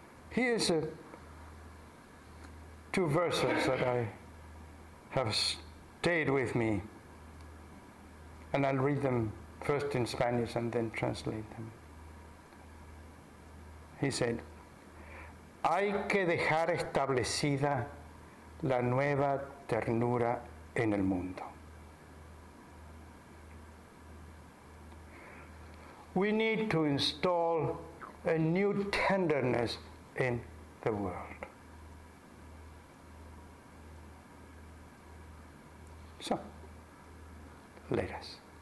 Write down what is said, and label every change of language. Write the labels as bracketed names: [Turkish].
[English] Here's a two verses that I have stayed with me, and I'll read them first in Spanish and then translate them. He said, [Spanish] hay que dejar establecida la nueva ternura en el mundo. [English] We need to install a new tenderness in the world. So, let us.